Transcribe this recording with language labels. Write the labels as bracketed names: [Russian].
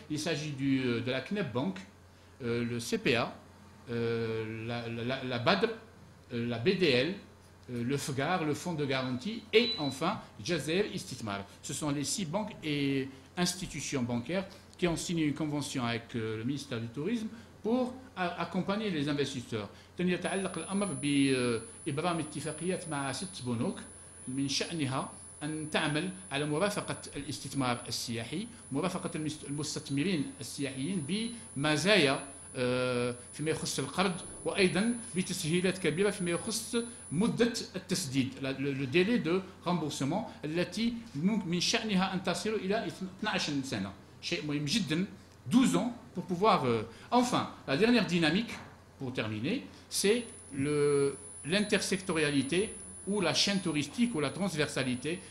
[French] Il s'agit de la CNEB Bank, le CPA, la BAD, la BDL, le FGAR, le Fonds de garantie, et enfin, Jazair Istitmar. Ce sont les 6 banques et institutions bancaires qui ont signé une convention avec le ministère du Tourisme pour accompagner les investisseurs. [Arabic] تنيتعلق الأمر بإبرام اتفاقيات مع 6 بنوك من شأنها أن تعمل على مرافقة الاستثمار السياحي، مرافقة المستثمرين السياحيين بمزايا فيما يخص القرض، وأيضا بتسهيلات كبيرة فيما يخص مدة التسديد، لو ديلي دو رامبورسمون التي من شأنها أن تصل إلى 12 سنة، شيء مهم جدا، 12 ans pour pouvoir. [French] Enfin, la dernière dynamique, pour terminer, c'est l'intersectorialité ou la chaîne touristique ou la transversalité.